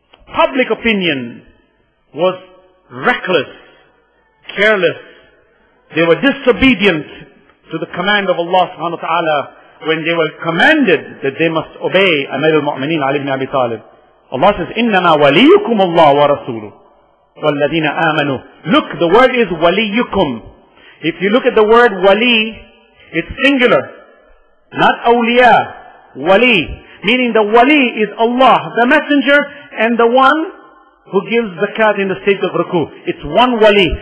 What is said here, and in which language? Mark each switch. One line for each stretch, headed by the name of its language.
English: Public opinion was reckless, careless. They were disobedient to the command of Allah subhanahu wa ta'ala when they were commanded that they must obey Amir al-Mu'mineen Ali ibn Abi Talib. Allah says,
Arabic: إِنَّمَا وَلِيُّكُمُ اللَّهُ وَرَسُولُهُ وَالَّذِينَ آمَنُوا.
English: Look, the word is وَلِيُّكُمْ. If you look at the word wali, it's singular. Not awliya. Wali. Meaning the wali is Allah, the messenger, and the one who gives zakat in the state of ruku. It's one wali.